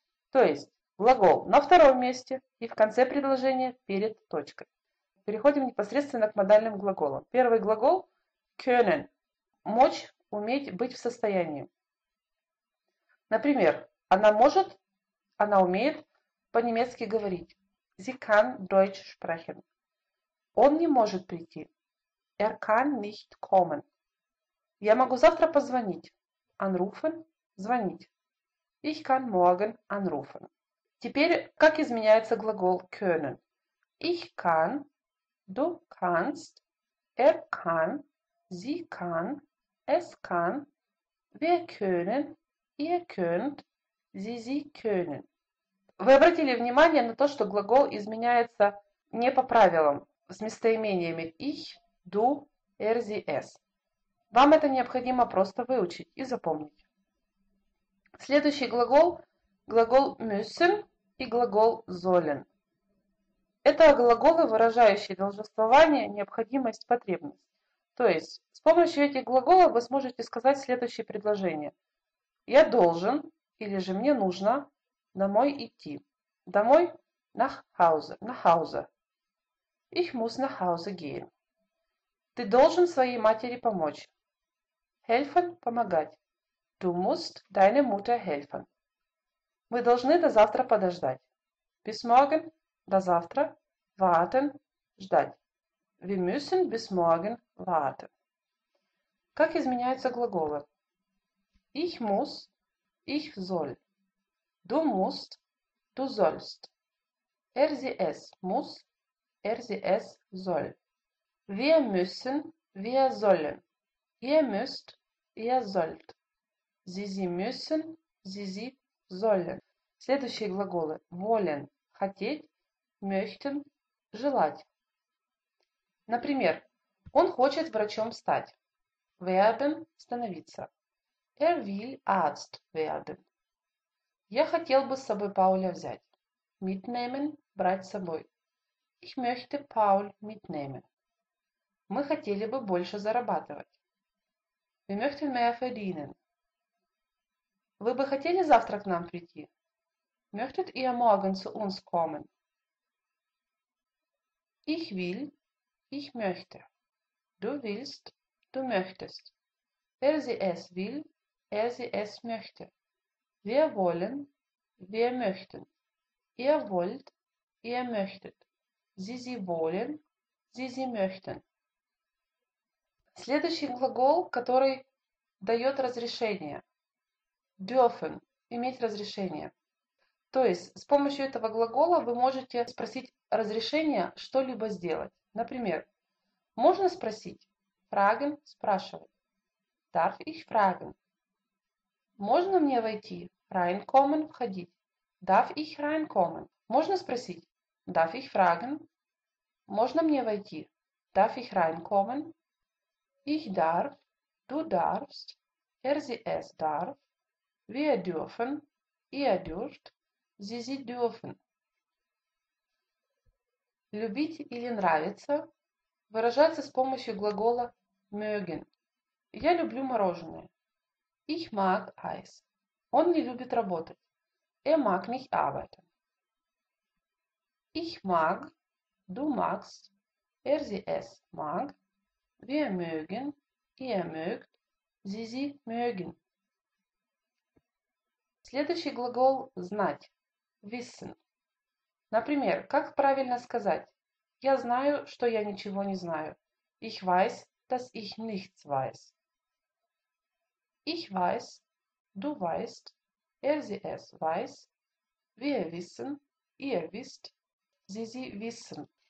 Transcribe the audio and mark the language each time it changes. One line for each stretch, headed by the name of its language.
Russian: То есть глагол на втором месте и в конце предложения перед точкой. Переходим непосредственно к модальным глаголам. Первый глагол können. Мочь, уметь, быть в состоянии. Например, она может, она умеет по-немецки говорить.
German: Sie kann Deutsch sprechen.
Russian: Он не может прийти.
German: Er kann nicht kommen.
Russian: Я могу завтра позвонить. Anrufen, звонить.
German: Ich kann morgen anrufen.
Russian: Теперь, как изменяется глагол können?
German: Ich kann, du kannst, er kann, sie kann, es kann, wir können. Ihr könnt, sie, sie können.
Russian: Вы обратили внимание на то, что глагол изменяется не по правилам, с местоимениями ich, du, er, sie, es. Вам это необходимо просто выучить и запомнить. Следующий глагол – глагол müssen и глагол sollen. Это глаголы, выражающие должествование, необходимость, потребность. То есть с помощью этих глаголов вы сможете сказать следующее предложение. Я должен или же мне нужно домой идти.
German: Домой – nach Hause, nach Hause. Ich muss nach Hause gehen.
Russian: Ты должен своей матери помочь. Helfen – помогать.
German: Du musst deine Mutter helfen.
Russian: Мы должны до завтра подождать. Bis morgen – до завтра.
German: Warten – ждать. Wir müssen bis morgen warten.
Russian: Как изменяются глаголы?
German: Ich muss, ich soll. Du musst, du sollst. Er, sie, es muss, er, sie, es soll. Wir müssen, wir sollen. Ihr müsst, ihr sollt. Sie, sie müssen, sie, sie sollen.
Russian: Следующие глаголы.
German: Wollen – хотеть, möchten – желать.
Russian: Например, он хочет врачом стать. Werden – становиться.
German: Er will Arzt werden.
Russian: Я хотел бы с собой Пауля взять. Mitnehmen – брать с собой.
German: Ich möchte Paul mitnehmen.
Russian: Мы хотели бы больше зарабатывать.
German: Wir möchten mehr verdienen.
Russian: Вы бы хотели завтра к нам прийти?
German: Möchtet ihr morgen zu uns kommen? Ich will – ich möchte. Du willst – du möchtest. Wer sie es will – er, sie, es möchte. Wir wollen, wir möchten. Ihr wollt, ihr möchtet. Sie, sie wollen, sie, sie möchten.
Russian: Следующий глагол, который дает разрешение. Dürfen – иметь разрешение. То есть, с помощью этого глагола вы можете спросить разрешение что-либо сделать. Например, можно спросить? Fragen – спрашивать.
German: Darf ich fragen?
Russian: Можно мне войти?
German: Reinkommen – входить. Darf ich reinkommen?
Russian: Можно спросить?
German: Darf ich fragen?
Russian: Можно мне войти?
German: Darf ich reinkommen? Ich darf, du darfst, er, sie, es darf, wir dürfen, ihr dürft, sie dürfen.
Russian: Любить или нравиться выражается с помощью глагола mögen. Я люблю мороженое.
German: Ich mag Eis.
Russian: Он не любит работать.
German: Er mag nicht arbeiten. Ich mag, du magst, er, sie, es mag, wir mögen, ihr mögt, sie mögen.
Russian: Следующий глагол знать, wissen. Например, как правильно сказать? Я знаю, что я ничего не знаю.
German: Ich weiß, dass ich nichts weiß. Ich weiß, du weißt, er, sie, es weiß, wir wissen, ihr wisst, sie wissen.